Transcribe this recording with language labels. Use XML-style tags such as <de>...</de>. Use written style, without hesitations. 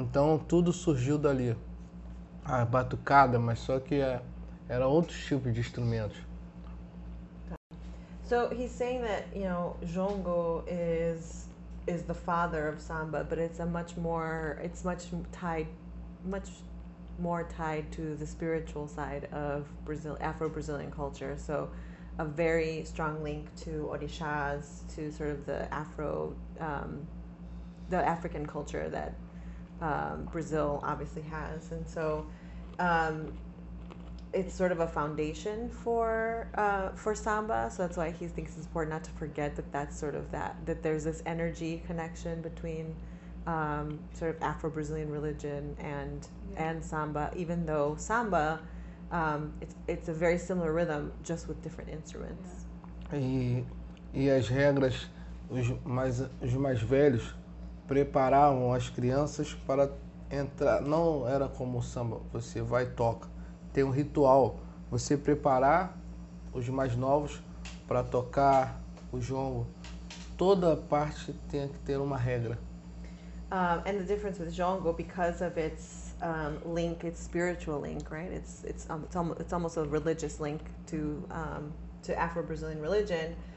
<pt>Então tudo surgiu dali, a batucada, mas só que era outro tipo de instrumentos.</pt> <en>So he's saying that, you know, jongo is the father of samba, but it's much more tied to the spiritual side of Afro-Brazilian culture. So a very strong link to orishas, to sort of the African culture that Brazil obviously has. And so it's sort of a foundation for samba. So that's why he thinks it's important not to forget that that's sort of that, that there's this energy connection between sort of Afro-Brazilian religion and and samba, even though samba, it's a very similar rhythm, just with different instruments. Yeah.</en> <pt>E as regras, os mais velhos preparavam as crianças para entrar. Não era como o samba, você vai e toca. Tem um ritual, você preparar os mais novos para tocar o jongo. Toda parte tem que ter uma regra.</pt> <en>And the difference with jongo, because of its link, its spiritual link, right? It's almost a religious link to Afro-Brazilian religion.</en>